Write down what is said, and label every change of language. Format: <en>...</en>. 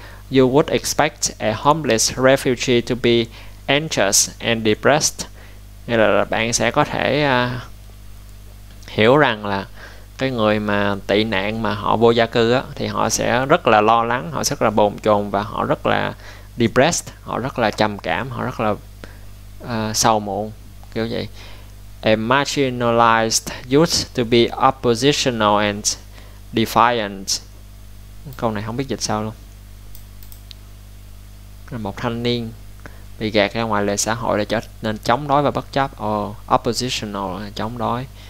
<en>You would expect a homeless refugee to be anxious and depressed,</en> <vi>nghĩa là bạn sẽ có thể hiểu rằng là cái người mà tị nạn mà họ vô gia cư á, thì họ sẽ rất là lo lắng, họ rất là bồn chồn và họ rất là depressed, họ rất là trầm cảm, họ rất là sầu muộn kiểu vậy.</vi> <en>A marginalized youth to be oppositional and defiant.</en> <vi>Câu này không biết dịch sao luôn. Một thanh niên bị gạt ra ngoài lề xã hội để trở nên chống đối và bất chấp. Oppositional, chống đối.</vi>